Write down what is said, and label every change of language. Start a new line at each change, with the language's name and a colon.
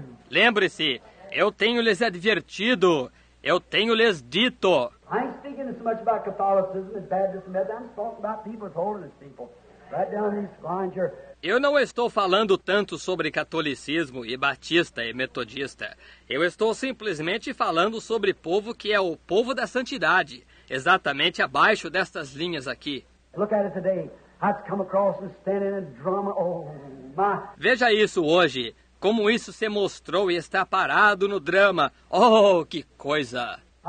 Portuguese: Lembre-se, eu tenho lhes advertido, eu tenho lhes dito.
English: I ain't speaking so much about Catholicism and Baptist and Methodist. I'm talking about people's holiness, people. Right down these lines here.
Portuguese: Eu não estou falando tanto sobre catolicismo e batista e metodista. Eu estou simplesmente falando sobre povo que é o povo da santidade, exatamente abaixo destas linhas aqui.
English: Look at it today. I've come across and standing in a drama. Oh, my.
Portuguese: Veja isso hoje. Como isso se mostrou e está parado no drama. Oh, que coisa!